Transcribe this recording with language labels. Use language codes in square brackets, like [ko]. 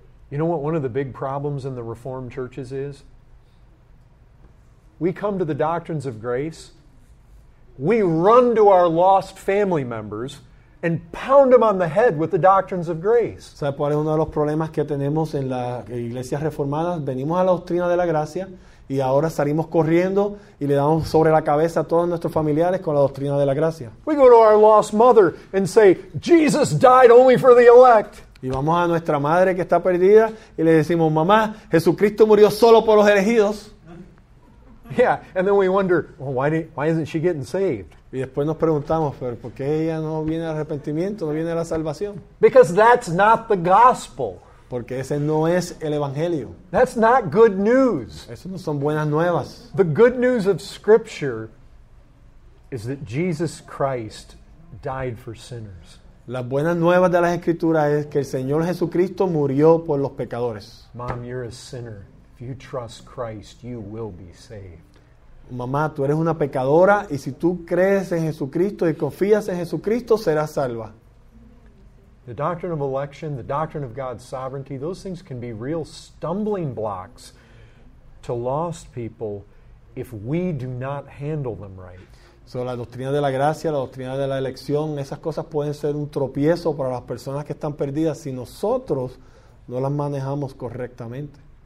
[en] You know what one of the big problems in the Reformed churches is? We come to the doctrines of grace, we run to our lost family members and pound them on the head with the doctrines of grace. [es] ¿Sabes cuál es uno de los problemas que tenemos en las iglesias reformadas? Venimos a la doctrina de la gracia y ahora salimos corriendo y le damos sobre la cabeza a todos nuestros familiares con la doctrina de la gracia. [en] We go to our lost mother and say, Jesus died only for the elect. [es] Y vamos a nuestra madre que está perdida y le decimos, mamá, Jesucristo murió solo por los elegidos. [en] Yeah, and then we wonder, well, why isn't she getting saved? [es] Y después nos preguntamos, pero ¿por qué ella no viene al arrepentimiento, no viene a la salvación? [en] Because that's not the gospel. [es] Porque ese no es el evangelio. [en] That's not good news. [es] Eso no son buenas nuevas. [en] The good news of Scripture is that Jesus Christ died for sinners. [es] Las buenas nuevas de las Escrituras es que el Señor Jesucristo murió por los pecadores. [en] Mom, you're a sinner. If you trust Christ, you will be saved. [es] Mamá, tú eres una pecadora y si tú crees en Jesucristo y confías en Jesucristo, serás salva. [en] The doctrine of election, the doctrine of God's sovereignty, those things can be real stumbling blocks to lost people if we do not handle them right. [es] So, la doctrina de la gracia, la doctrina de la elección, esas cosas pueden ser un tropiezo para las personas que están perdidas si nosotros no las manejamos correctamente.